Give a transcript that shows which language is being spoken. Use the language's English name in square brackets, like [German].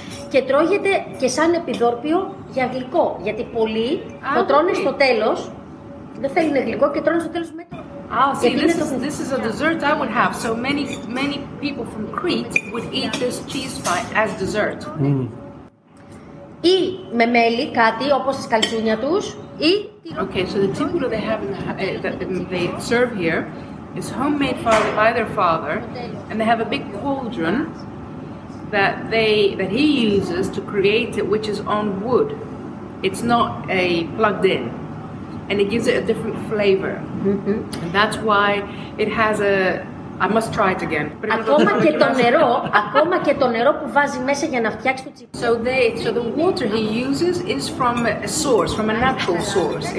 [Greek] Και τρώγεται και σαν επιδόρπιο για γλυκό, γιατί πολλοί το τρώνε στο τέλος, δεν θέλουν γλυκό και τρώνε στο τέλος με το... [English] This is a dessert I would have. So many, many people from Crete would eat this cheese pie as dessert. Mm. [Greek] Ή με μέλι, κάτι όπως τις καλτσούνια τους, ή... [English] Okay, so the tipulo they have, they serve here, is homemade by their father, and they have a big cauldron that he uses to create it, which is on wood. It's not a plugged in, and it gives it a different flavor. Mm-hmm. And that's why it has a... I must try it again. [Greek] Ακόμα και το νερό, ακόμα και το νερό που βάζει μέσα για να φτιάξει το τσιπούλο. [English] So the water he uses is from a source, from a natural source.